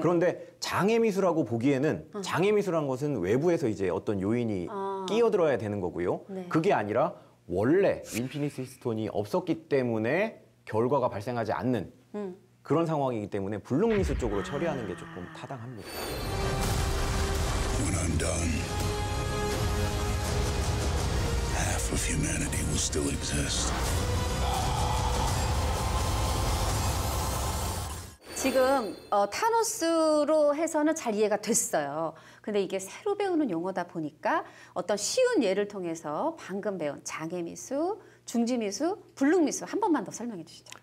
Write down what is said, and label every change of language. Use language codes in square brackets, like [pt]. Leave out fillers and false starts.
[ko] 그런데 장애미수라고 보기에는 장애미수라는 것은 외부에서 이제 어떤 요인이 끼어들어야 되는 거고요. 네. 그게 아니라 원래 인피니티 스톤이 없었기 때문에 결과가 발생하지 않는 그런 상황이기 때문에 불능미수 쪽으로 처리하는 게 조금 타당합니다. [en] When I'm done, half of humanity will still exist. [ko] 지금 타노스로 해서는 잘 이해가 됐어요. 근데 이게 새로 배우는 용어다 보니까 어떤 쉬운 예를 통해서 방금 배운 장애미수, 중지미수, 불능미수 한 번만 더 설명해 주시죠.